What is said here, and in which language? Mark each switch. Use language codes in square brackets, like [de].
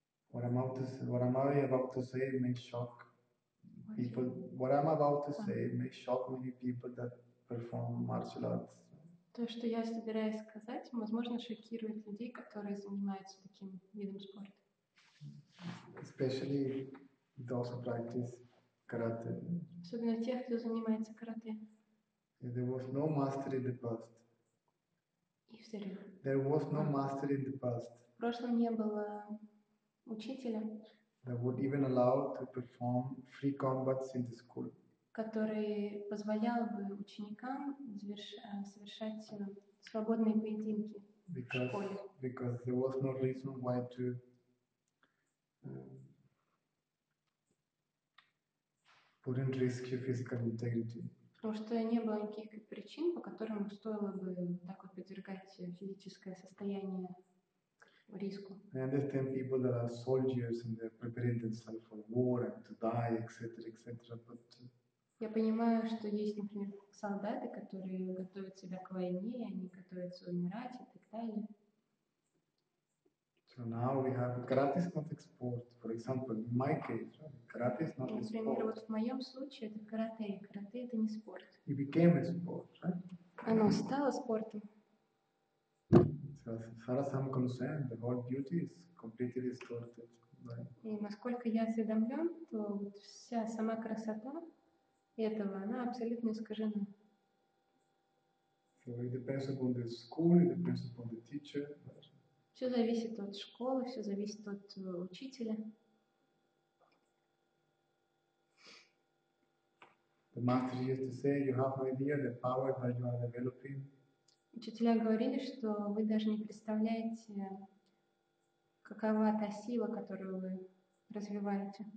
[en] What I'm about to say may shock people. What I'm about to say may shock many people that perform martial arts. [ru] То, что я собираюсь сказать, возможно, шокирует людей, которые занимаются таким видом спорта. [en] Especially those who practice karate. [ru] Особенно тех, кто занимается карате. [en] There was no master in the past. [ru] И в старину. [en] There was no master in the past. [ru] В прошлом не было учителя, [en] that would even allow to perform free combats in the school, [ru] который позволял бы ученикам совершать свободные поединки в школе. [en] Because there was no reason why to put in risk your physical integrity. [ru] Потому что не было никаких причин, по которым стоило бы так вот подвергать физическое состояние риску. [en] I understand people that are soldiers and they're preparing themselves for war and to die, etc., etc. But [ru] я понимаю, что есть, например, солдаты, которые готовят себя к войне, и они готовятся умирать и так далее. [en] So now we have karate is not a sport. For example, in my case, right? Karate is not a sport. [ru] Например, вот в моем случае это карате, и карате это не спорт. [en] It became a sport, right? [ru] Оно стало спортом. [en] As far as I'm concerned, the whole beauty is completely distorted. [ru] И насколько я осведомлен, то вся сама красота этого, она абсолютно искажена. [en] So it depends upon the school, it depends upon the teacher. [ru] Все зависит от школы, все зависит от учителя. [en] The master used to say, you have no idea the power that you are developing. [ru] Учителя говорили, что вы даже не представляете, какова та сила, которую вы развиваете